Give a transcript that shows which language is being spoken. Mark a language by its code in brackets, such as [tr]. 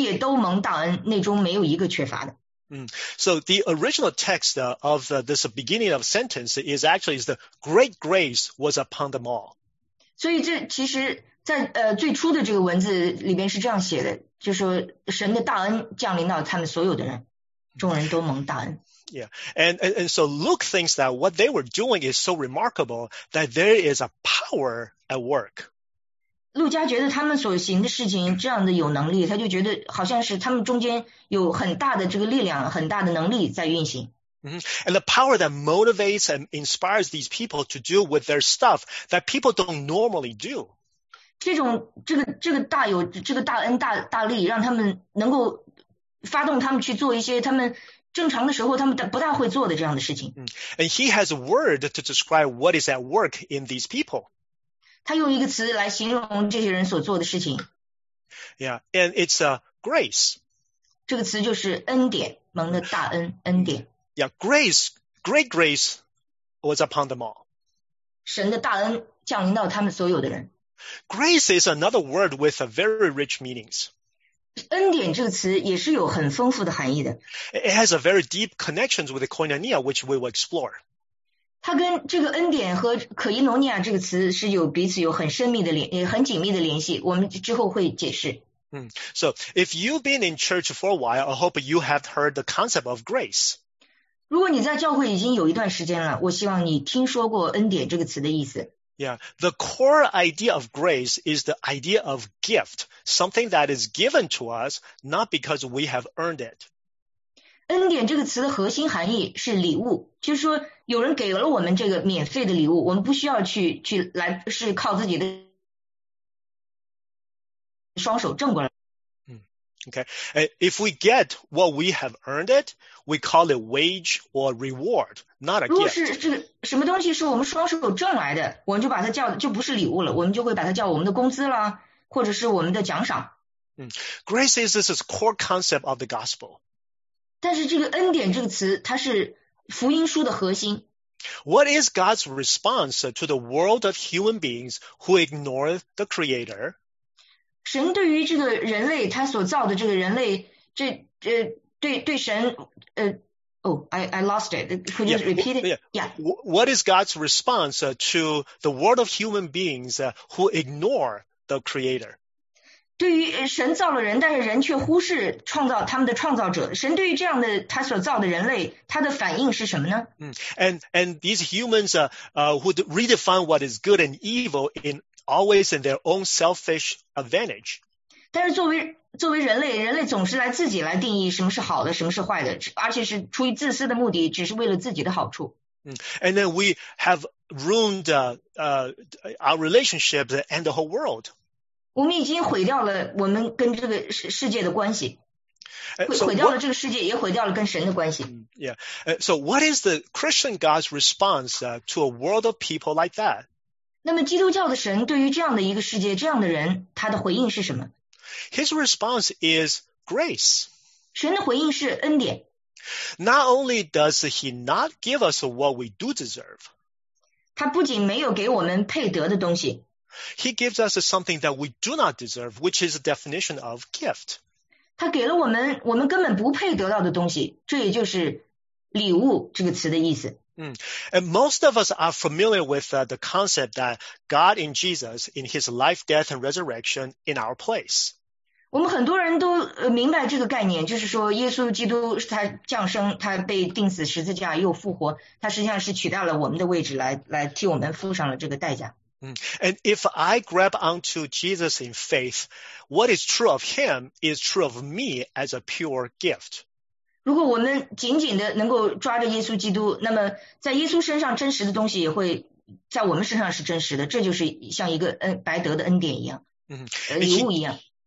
[zh] 也都蒙大恩，内中没有一个缺乏的。 [en] So the original text of this beginning of sentence is the great grace was upon them all. [zh] 所以这其实在最初的这个文字里面是这样写的，就是神的大恩降临到他们所有的人，众人都蒙大恩。 [en] And so Luke thinks that what they were doing is so remarkable that there is a power at work. [zh] 路加觉得他们所行的事情这样的有能力，他就觉得好像是他们中间有很大的这个力量，很大的能力在运行。 [en] And the power that motivates and inspires these people to do with their stuff that people don't normally do. [zh] 这个大恩大力，让他们能够发动他们去做一些他们正常的时候他们不大会做的这样的事情。 [en] And he has a word to describe what is at work in these people. [zh] 他用一个词来形容这些人所做的事情。 [en] Yeah, and it's a grace. [zh] 这个词就是恩典，蒙的大恩，恩典。 [en] Yeah, grace, great grace was upon them all. [zh] 神的大恩降临到他们所有的人。 [en] Grace is another word with a very rich meanings. [zh] 恩典这个词也是有很丰富的含义的。 [en] It has a very deep connection with the koinonia, which we will explore. [zh] 它跟这个恩典和可伊诺尼亚这个词是有彼此有很深密的联，很紧密的联系，我们之后会解释。 [en] So, if you've been in church for a while, I hope you have heard the concept of grace. [zh] 如果你在教会已经有一段时间了，我希望你听说过恩典这个词的意思。 [en] Yeah, the core idea of grace is the idea of gift, something that is given to us, not because we have earned it. [zh] 恩典这个词的核心含义是礼物，就是说有人给了我们这个免费的礼物，我们不需要去来，是靠自己的双手挣过来。 [en] Okay. If we get what we have earned it, we call it wage or reward, not a gift. [zh] 如果是这个什么东西是我们双手挣来的，我们就把它叫就不是礼物了，我们就会把它叫我们的工资了，或者是我们的奖赏。 [en] Grace is this is core concept of the gospel. [zh] 但是这个恩典这个词，它是福音书的核心。 [en] What is God's response to the world of human beings who ignore the Creator? [zh] 神对于这个人类他所造的这个人类这对神 [en] I lost it. Could you yeah, repeat it? Yeah. What is God's response to the world of human beings who ignore the creator? [zh] 对于神造了人但是人却忽视创造他们的创造者。神对于这样的他所造的人类他的反应是什么呢？ [en] And these humans would redefine what is good and evil in always in their own selfish advantage. [zh] 但是作为人类总是来自己来定义什么是好的什么是坏的，而且是出于自私的目的，只是为了自己的好处。 [en] And then we have ruined our relationships and the whole world. [zh] 我们已经毁掉了我们跟这个世界的关系，毁掉了这个世界，也毁掉了跟神的关系。 [en] Yeah. So what is the Christian God's response to a world of people like that? [zh] 那么基督教的神对于这样的一个世界这样的人他的回应是什么？ [en] His response is grace. [zh] 神的回应是恩典。 [en] Not only does he not give us what we do deserve, [zh] 他不仅没有给我们配得的东西， [en] He gives us something that we do not deserve, which is a definition of gift. [zh] 他给了我们根本不配得到的东西，这也就是礼物这个词的意思。 [en] And most of us are familiar with the concept that God in Jesus, in his life, death, and resurrection, in our place. [zh] 我们很多人都明白这个概念，就是说耶稣基督他降生，他被钉死十字架又复活，他实际上是取代了我们的位置来替我们付上了这个代价。 [en] And if I grab onto Jesus in faith, what is true of him is true of me as a pure gift. [zh] 如果我们紧紧的能够抓着耶稣基督，那么在耶稣身上真实的东西也会在我们身上是真实的，这就是像一个白得的恩典一样，礼物一样。